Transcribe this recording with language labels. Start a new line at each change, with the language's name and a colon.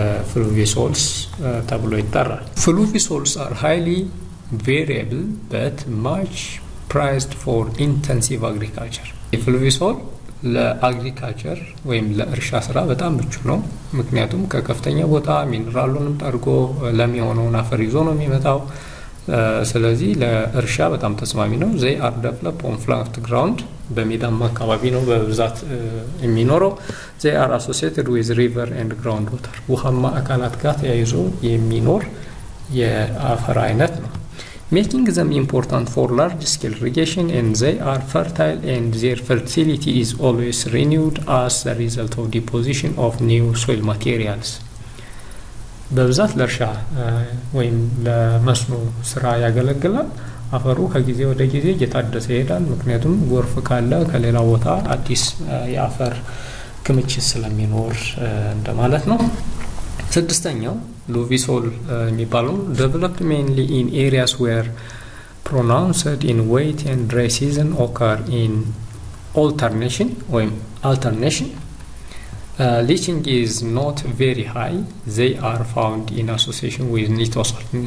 English: fluvisols
Amharic: ተብሎ ይጠራል።
English: fluvisols are highly variable but much prized for intensive agriculture. fluvisol
Amharic: ለአግሪካልቸር ወይም ለእርሻ ስራ በጣም ምቹ ነው። ምክንያቱም ከከፍተኛ ቦታ ሚነራሉንም ጠርጎ ለሚሆነውን አፈር ይዞ ነው የሚመጣው። ስለዚህ ለእርሻ በጣም ተስማሚ ነው።
English: they are developed on flat ground
Amharic: በሜዳማ አካባቢ ነው በብዛት የሚኖረው።
English: they are associated with river and groundwater
Amharic: ውሃማ አካላት ጋር ተያይዞ የሚኖር የአፈር አይነት ነው።
English: Making them important for large-scale irrigation, and they are fertile and their fertility is always renewed as a result of deposition of new soil materials.
Amharic: በብዛት ለርሻ ወይም ለመስኖ ስራ ያገለግላል። አፈሩ ከጊዜ ወደ ጊዜ እየታደሰ ይሄዳል። ምክንያቱም ጎርፍ ካለ ከሌላ ቦታ አዲስ የአፈር ክምችት ስለሚኖር እንደማለት ነው። ስድስተኛው ሎቪ ሶል የሚባለው
English: developed mainly in areas where pronounced in wet and dry season occur in alternation or alternation. Leaching is not very high. They are found in association with nitosol.